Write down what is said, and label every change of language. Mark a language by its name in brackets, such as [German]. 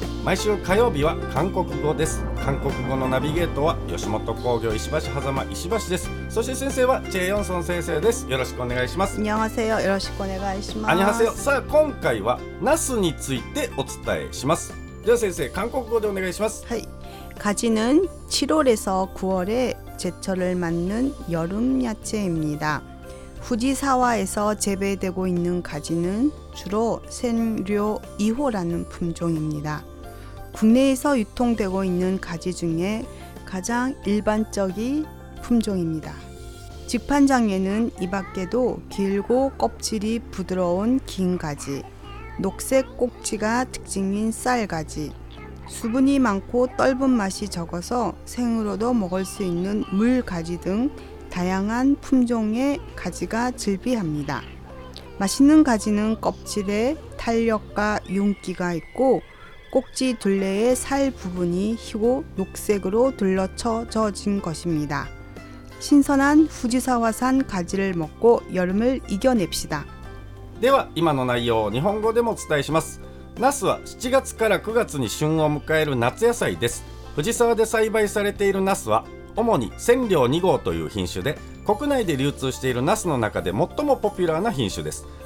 [Japanese] 毎週火曜日は韓国語です。韓国語のナビゲートは吉本興業石橋狭間石橋です。そして先生はチェ・ヨンソン先生です。よろしくお願いします。アニハセヨ、よろしくお願いします。アニハセヨ。さあ今回はナスについてお伝えします。では先生、韓国語でお願いします。はい。 [Korean] 가지는 7월에서 9월에 제철을 맞는 여름 야채입니다. 후지사와에서 재배되고 있는 가지는 주로 센료 2호라는 품종입니다. 국내에서 유통되고 있는 가지 중에 가장 일반적인 품종입니다. 직판장에는 이밖에도 길고 껍질이 부드러운 긴 가지, 녹색 꼭지가 특징인 쌀 가지,수분이많고떫은맛이적어서생으로도먹을수있는물가지등다양한품종의가지가즐비합니다. 맛있는 가지는 껍질에 탄력과 윤기가 있고 꼭지 둘레의 살 부분이 희고 녹색으로 둘러쳐져진 것입니다. 신선한 후지사와 산 가지를 먹고 여름을 이겨냅시다. [Japanese] では今の内容を日本語でもお伝えします。ナスは7月から9月に旬を迎える夏野菜です。藤沢で栽培されているナスは主に千両2号という品種で、国内で流通しているナスの中で最もポピュラーな品種です。